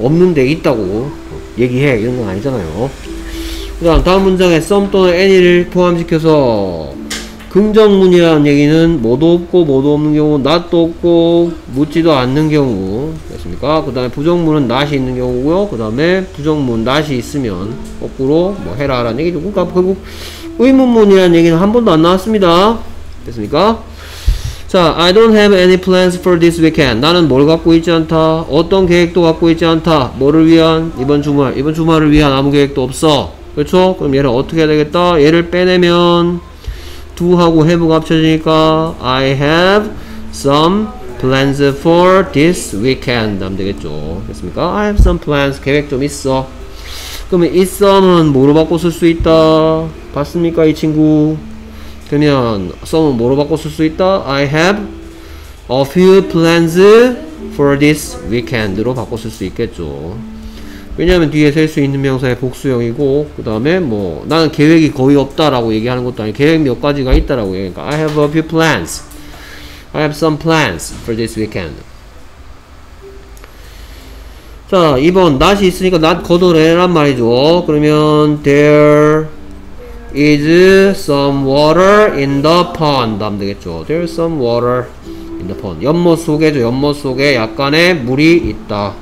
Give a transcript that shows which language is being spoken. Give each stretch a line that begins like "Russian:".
Korean: 없는데 있다고 얘기해 이런 건 아니잖아요. 그 다음 다음 문장에 some 또는 any를 포함시켜서 긍정문이라는 얘기는 뭐도 없고 뭐도 없는 경우 not도 없고 묻지도 않는 경우 됐습니까? 그 다음에 부정문은 not이 있는 경우고요. 그 다음에 부정문 not이 있으면 거꾸로 뭐 해라 라는 얘기죠. 그러니까 결국 의문문이라는 얘기는 한 번도 안 나왔습니다. 됐습니까?
English: 자, I don't have any plans for this weekend.
Korean: 나는 뭘 갖고 있지 않다. 어떤 계획도 갖고 있지 않다. 뭐를 위한? 이번 주말. 이번 주말을 위한 아무 계획도 없어. 그렇죠? 그럼 얘를 어떻게 해야 되겠다? 얘를 빼내면 do하고 have가 합쳐지니까
English: I have some plans for this weekend
Korean: 하면 되겠죠. 됐습니까?
English: I have some plans.
Korean: 계획 좀 있어. 그러면 이 some은 뭐로 바꿔 쓸 수 있다? 봤습니까? 이 친구. 그러면 some은 뭐로 바꿔 쓸 수 있다?
English: I have a few plans for this weekend
Korean: 로 바꿔 쓸 수 있겠죠. 왜냐하면 뒤에 셀 수 있는 명사의 복수형이고 그 다음에 뭐 나는 계획이 거의 없다라고 얘기하는 것도 아니고 계획 몇 가지가 있다라고 얘기하니까
English: I have a few plans. I have some plans for this weekend.
Korean: 자 2번 not이 있으니까 not 거둬내란 말이죠. 그러면
English: there is some water in the pond
Korean: 하면 되겠죠.
English: There is some water in the pond.
Korean: 연못 속에죠. 연못 속에 약간의 물이 있다.